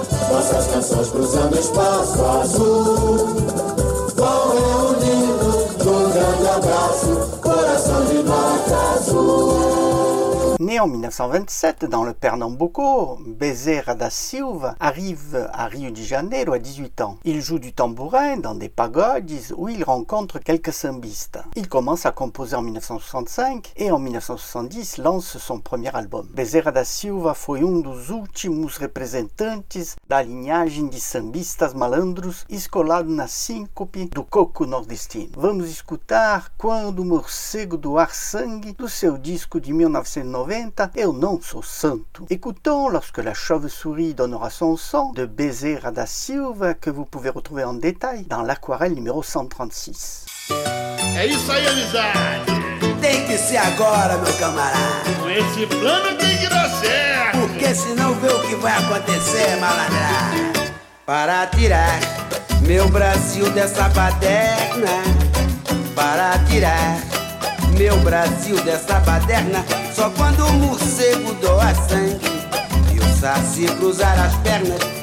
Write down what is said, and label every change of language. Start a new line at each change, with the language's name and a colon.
Portuguese: Nossas canções cruzando espaço azul, vão reunindo num grande abraço, coração de vaca azul.
French: Né en 1927 dans le Pernambuco, Bezerra da Silva arrive à Rio de Janeiro à 18 ans. Il joue du tambourin dans des pagodes où il rencontre quelques sambistes. Il commence à composer en 1965 et en 1970 lance son premier album.
Portuguese: Bezerra da Silva foi dos últimos representantes da linhagem de sambistas malandros escolado na síncope do coco nordestino. Vamos escutar Quando o Morcego Doar Sangue, do seu disco de 1990. Eu não sou santo.
French: Écoutons Lorsque la chauve-souris donnera son sang de Bezerra da Silva, que vous pouvez retrouver en détail dans l'aquarelle numéro 136.
Portuguese: É isso aí, amizade. Tem que ser agora, meu camarada. Com esse plano tem que dar certo. Porque senão vê o que vai acontecer, malandra. Para tirar meu Brasil dessa baderna, para tirar meu Brasil dessa baderna, só quando o morcego doa sangue e o saci cruzar as pernas.